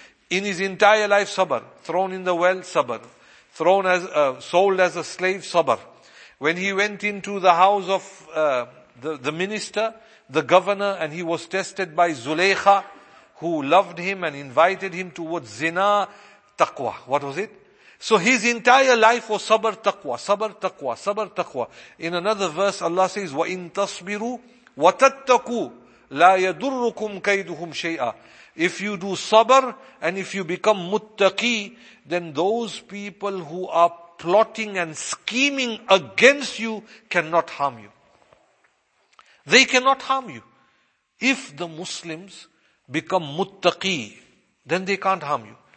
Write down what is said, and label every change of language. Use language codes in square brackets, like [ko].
[en] In his entire life, sabr. Thrown in the well, sabr. Thrown as, sold as a slave, sabr. When he went into the house of the minister, the governor, and he was tested by Zulaykha, who loved him and invited him towards zina, taqwa. What was it? So his entire life was sabr, taqwa. Sabr, taqwa. Sabr, taqwa. In another verse, Allah says, [ar] وَإِن تَصْبِرُوا وَتَتَّقُوا لَا يَدُرُّكُمْ كَيْدُهُمْ شَيْئًا. [en] If you do sabr and if you become muttaqi, then those people who are plotting and scheming against you cannot harm you. They cannot harm you. If the Muslims become muttaqi, then they can't harm you.